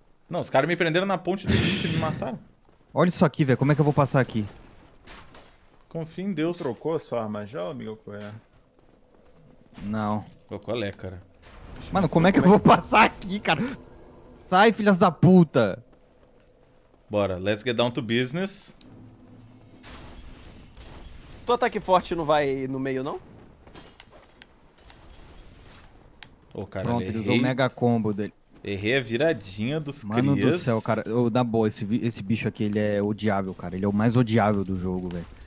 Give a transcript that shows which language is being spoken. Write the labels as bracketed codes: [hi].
[pt] Não, os caras me prenderam na ponte do início e me mataram. Olha isso aqui, velho, como é que eu vou passar aqui? Confia em Deus. Trocou a sua arma já, amigo? Qual é? Não. Qual é, cara? Mano, como é que eu vou passar aqui, cara? Sai, filhas da puta! [en] Bora, let's get down to business. [pt] Tu ataque forte não vai no meio, não? Ô, cara, pronto, errei. Ele usou o mega combo dele. Errei a viradinha dos crias. Mano do céu, cara. Eu, na boa, esse bicho aqui, ele é odiável, cara. Ele é o mais odiável do jogo, velho.